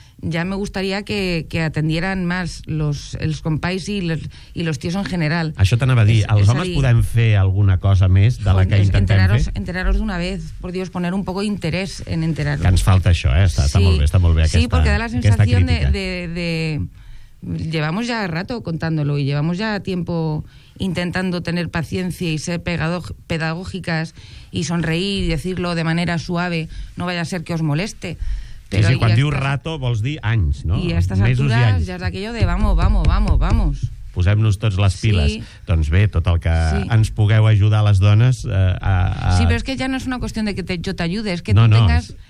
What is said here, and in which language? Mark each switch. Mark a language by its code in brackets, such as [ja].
[es] Ya me gustaría que atendieran más [ca] els compais i [es] los tios en general. [ca] Això t'anava a dir, els homes podem fer alguna cosa més de la que intentem fer? [es] Enteraros d'una vez, por Dios, poner un poco de interés en enteraros. [ca] Que ens falta això, està molt bé aquesta crítica. [es] Sí, porque da la sensación de... Llevamos ya rato contándolo y llevamos ya tiempo intentando tener paciencia y ser pedagógicas y sonreír y decirlo de manera suave, no vaya a ser que os moleste. [ca] Sí, quan dius rato vols dir anys, no? I a aquestes altures ja és d' [es] aquello de vamos, vamos, [ca] vamos, vamos. posem-nos tots les piles. Sí. Doncs bé, tot el que ens pugueu ajudar les dones... Sí, però és que ja no és una qüestió de que jo t'ajude, és que no, tu no, tengas...